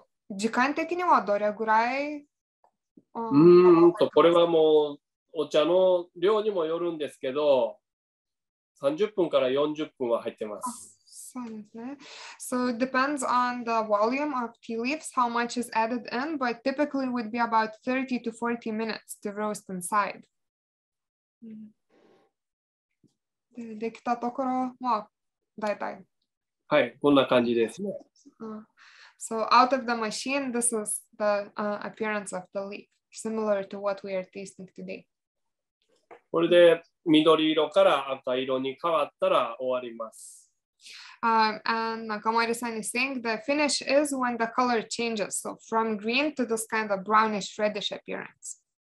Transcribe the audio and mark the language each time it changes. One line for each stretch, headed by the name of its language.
Japanese: 時間的にはどれぐらい？これはもうお茶の量にもよるんですけど、 30分から40分は入ってます。
English: So it depends on the volume of tea leaves, how much is added in, but typically it would be about 30 to 40 minutes to roast inside.
Japanese: できたところは大体。はい、こんな感じですね。
English: So out of the machine, this is the appearance of the leaf, similar to what we are tasting today.
Japanese: これで緑色から赤色に変わったら終わります。
English: And Nakamori-san is saying the finish is when the color changes, so from green to this kind of brownish reddish appearance.